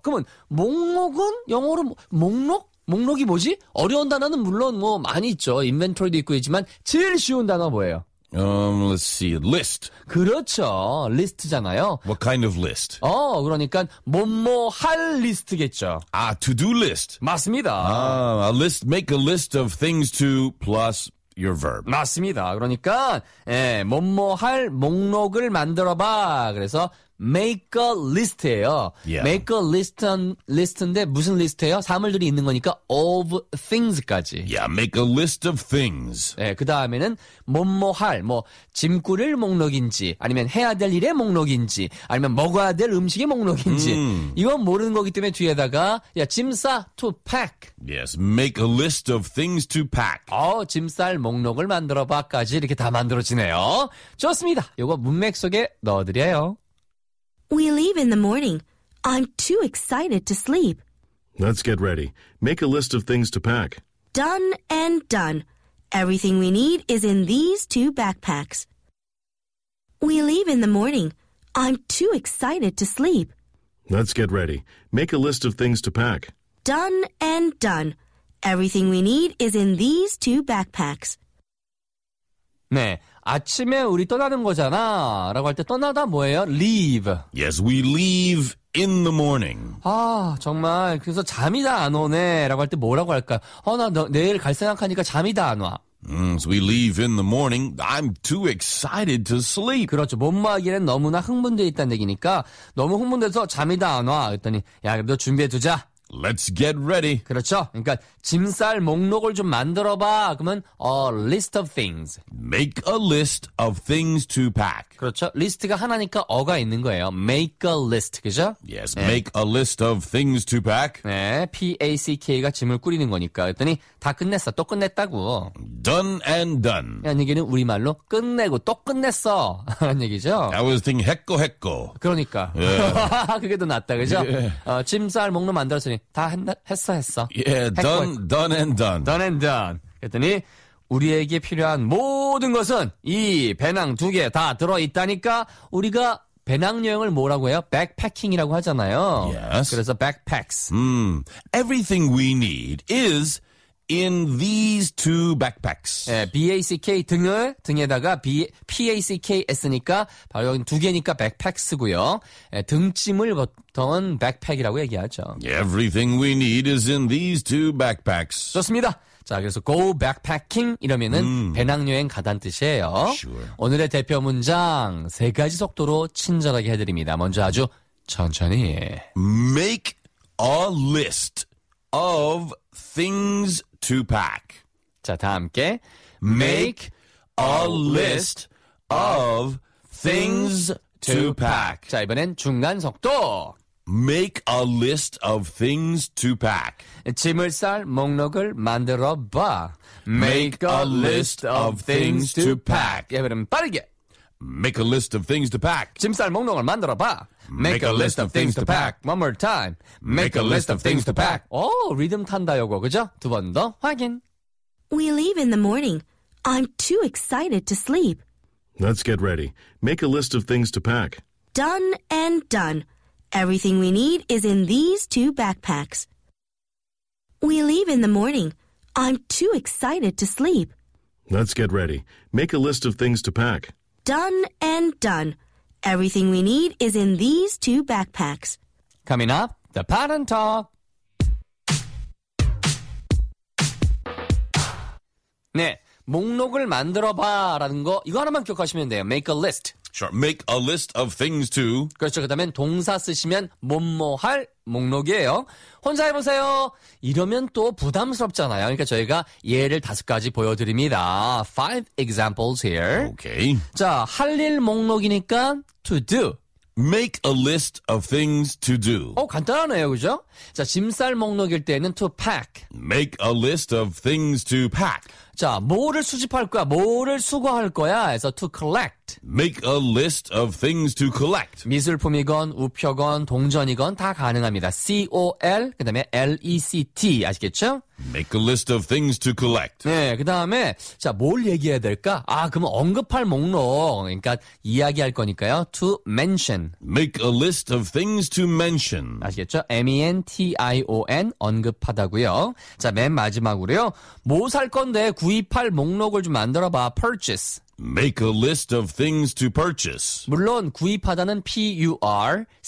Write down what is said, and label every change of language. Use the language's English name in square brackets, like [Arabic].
[Korean] 그러면 목록은 영어로 목록? 목록이 뭐지? 어려운 단어는 물론 뭐 많이 있죠. inventory도 있고 있지만 제일 쉬운 단어 뭐예요? [English] Let's see. List. [Korean] 그렇죠. List잖아요. [English] What kind of list? [Korean] 그러니까 뭐뭐 할 list겠죠. [English] 아, to-do list. [Korean] 맞습니다. [English] 아, a list, make a list of things to plus your verb. [Korean] 맞습니다. 그러니까 예, 뭐뭐 할 목록을 만들어봐. 그래서 [English] make a list [Korean] 예요. [English] Yeah. Make a list on, list인데 [Korean] 무슨 [English] list예요? [Korean] 사물들이 있는 거니까 [English] of things [Korean] 까지. [English] Yeah, make a list of things. [Korean] 예, 그 다음에는 뭐뭐 할, 뭐 짐 꾸릴 목록인지 아니면 해야 될 일의 목록인지 아니면 먹어야 될 음식의 목록인지 이건 모르는 거기 때문에 뒤에다가 야, 짐 싸, [English] to pack. Yes, make a list of things to pack. [Korean] 짐 쌀 목록을 만들어봐까지 이렇게 다 만들어지네요. 좋습니다. 이거 문맥 속에 넣어드려요. [English] We leave in the morning. I'm too excited to sleep. Let's get ready. Make a list of things to pack. Done and done. Everything we need is in these two backpacks. We leave in the morning. I'm too excited to sleep. Let's get ready. Make a list of things to pack. Done and done. Everything we need is in these two backpacks. [Korean] 네. 아침에 우리 떠나는 거잖아 라고 할 때 떠나다 뭐예요? [English] Leave. Yes, we leave in the morning. [Korean] 아, 정말 그래서 잠이 다 안 오네 라고 할 때 뭐라고 할까? 나 내일 갈 생각하니까 잠이 다 안 와. [English] So we leave in the morning. I'm too excited to sleep. [Korean] 그렇죠. 몸무게는 너무나 흥분되어 있다는 얘기니까 너무 흥분돼서 잠이 다 안 와. 그랬더니 야, 너 준비해 두자. [English] Let's get ready. [Korean] 그렇죠. 그러니까 짐 쌀 목록을 좀 만들어봐. 그러면 [English] a list of things. Make a list of things to pack. [Korean] 그렇죠. 리스트가 하나니까 어가 있는 거예요. [English] Make a list. [Korean] 그죠? [English] Yes. [Korean] 네. [English] Make a list of things to pack. [Korean] 네. P-A-C-K가 짐을 꾸리는 거니까. 그랬더니 다 끝냈어. 또 끝냈다고. [English] Done and done. [Korean] 이런 얘기는 우리말로 끝내고 또 끝냈어. 라는 얘기죠. [English] I was thinking [Korean] 했고 했고. 그러니까. [English] Yeah. [Korean] 그게 더 낫다. 그죠? [English] Yeah. [Korean] 짐 쌀 목록 만들어서 다 했어 했어. [English] Yeah, [Korean] 했고, [English] done, [Korean] 했고. [English] done and done. Done and done. [Korean] 그랬더니 우리에게 필요한 모든 것은 이 배낭 두 개 다 들어 있다니까 우리가 배낭 여행을 뭐라고 해요? Backpacking이라고 하잖아요. [English] Yes. [Korean] 그래서 backpacks. [English] Everything we need is in these two backpacks. [Korean] 예, B-A-C-K 등을 등에다가 P-A-C-K-S니까 바로 여기 두 개니까 backpacks고요. 예, 등짐을 보통은 backpack이라고 얘기하죠. [English] Everything we need is in these two backpacks. [Korean] 좋습니다. 자, 그래서 [English] go backpacking [Korean] 이러면은 배낭여행 가단 뜻이에요. [English] Sure. [Korean] 오늘의 대표 문장 세 가지 속도로 친절하게 해드립니다. 먼저 아주 천천히 [English] make a list of things to pack. [Korean] 자, 다 함께 [English] make a list of things to pack. [Korean] 자, 이번엔 중간 속도. [English] Make a list of things to pack. [Korean] 짐을 쌀 목록을 만들어 봐. [English] Make a list of things to pack. [Korean] 이번엔 빠르게. [English] Make a list of things to pack. [Korean] 짐 쌀 목록을 만들어 봐. [English] Make a list of things to pack. One more time. Make a list of things to pack. [Korean] 오, 리듬 탄다 요거, 그죠? 두 번 더 확인. [English] We leave in the morning. I'm too excited to sleep. Let's get ready. Make a list of things to pack. Done and done. Everything we need is in these two backpacks. We leave in the morning. I'm too excited to sleep. Let's get ready. Make a list of things to pack. Done and done. Everything we need is in these two backpacks. Coming up, the Pattern Talk. [Korean] 네, 목록을 만들어봐라는 거 이거 하나만 기억하시면 돼요. [English] Make a list. Sure, make a list of things to. [Korean] 그렇죠, 그 다음에 동사 쓰시면 뭐뭐 할 목록이에요. 혼자 해보세요. 이러면 또 부담스럽잖아요. 그러니까 저희가 예를 다섯 가지 보여드립니다. [English] Five examples here. Okay. [Korean] 자, 할 일 목록이니까 [English] to do. Make a list of things to do. [Korean] 간단하네요, 그죠? 자, 짐 쌀 목록일 때는 [English] to pack. Make a list of things to pack. [Korean] 자, 뭐를 수집할 거야? 뭐를 수거할 거야? 해서 [English] to collect. Make a list of things to collect. [Korean] 미술품이건 우표건 동전이건 다 가능합니다. C-O-L 그다음에 L-E-C-T 아시겠죠? [English] Make a list of things to collect. [Korean] 네, 그다음에 자, 뭘 얘기해야 될까? 아, 그럼 언급할 목록. 그러니까 이야기할 거니까요. [English] To mention. Make a list of things to mention. [Korean] 아시겠죠? M-E-N-T-I-O-N 언급하다고요. 자, 맨 마지막으로요. 뭐 살 건데 구입할 목록을 좀 만들어봐. [English] Purchase. Make a list of things to purchase. [Korean] 물론 구입하다는 P-U-R-C-H-A-S-E.